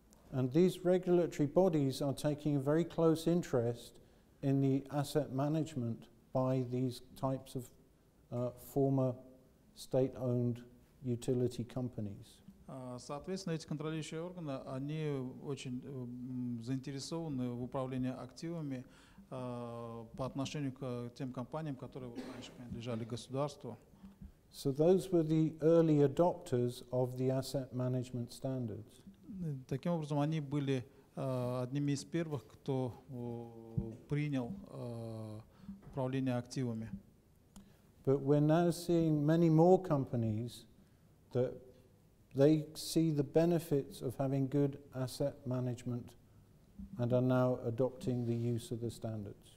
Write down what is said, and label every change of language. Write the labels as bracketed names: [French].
[English] And these regulatory bodies are taking a very close interest in the asset management by these types of former state-owned utility companies. [Russian] Соответственно, эти контролирующие органы, они очень заинтересованы в управлении активами по отношению к тем компаниям, которые раньше принадлежали государству. [English] So those were the early adopters of the asset management standards. [Russian] Таким образом, они были одними из первых, кто принял управление активами. [English] But we're now seeing many more companies that they see the benefits of having good asset management and are now adopting the use of the standards.